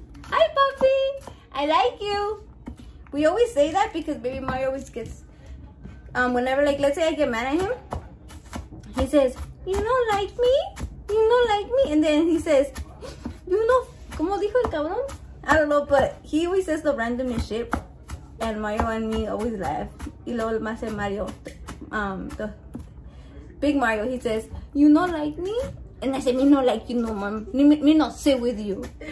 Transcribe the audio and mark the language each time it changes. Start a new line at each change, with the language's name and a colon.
English: Hi, puppy. I like you. We always say that because baby Mario always gets, whenever, like, let's say I get mad at him, he says, you don't like me? You don't like me? And then he says, you know,
Spanish: ¿cómo dijo el cabrón?
English: I don't know, but he always says the randomest shit. And Mario and me always laugh.
Spanish: Y luego el más Mario,
English: the big Mario, he says, you don't like me? And I say, me no like you no, mom. Me no sit with you.